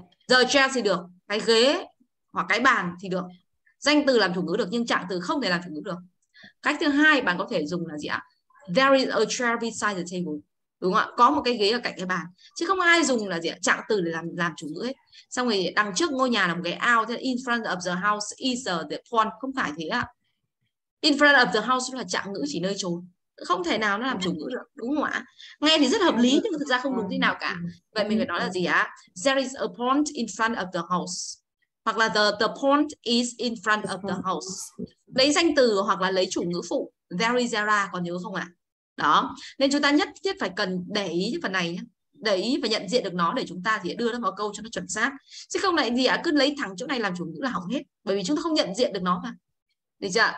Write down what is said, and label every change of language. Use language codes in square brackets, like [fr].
[en] The chair [vi] thì được, cái ghế hoặc cái bàn thì được. Danh từ làm chủ ngữ được, nhưng trạng từ không thể làm chủ ngữ được. Cách thứ hai bạn có thể dùng là gì ạ? [en] There is a chair beside the table. [vi] Đúng không ạ? Có một cái ghế ở cạnh cái bàn. Chứ không ai dùng là gì ạ? Trạng từ để làm chủ ngữ hết. Xong rồi đằng trước ngôi nhà là một cái ao. [en] Thế in front of the house is the pond. [vi] Không phải thế ạ. [en] In front of the house [vi] là trạng ngữ chỉ nơi chốn. Không thể nào nó làm chủ ngữ được. Đúng không ạ? Nghe thì rất hợp lý nhưng thực ra không đúng thế nào cả. Vậy mình phải nói là gì ạ? [en] There is a pond in front of the house. [vi] Hoặc là [en] the pond is in front of the house. [vi] Lấy danh từ hoặc là lấy chủ ngữ phụ. [en] There is there are, [vi] còn nhớ không ạ? Đó. Nên chúng ta nhất thiết phải cần để ý cái phần này nhé. Để ý và nhận diện được nó để chúng ta thì đưa nó vào câu cho nó chuẩn xác. Chứ không lại gì ạ? Cứ lấy thẳng chỗ này làm chủ ngữ là hỏng hết. Bởi vì chúng ta không nhận diện được nó mà. Được chưa?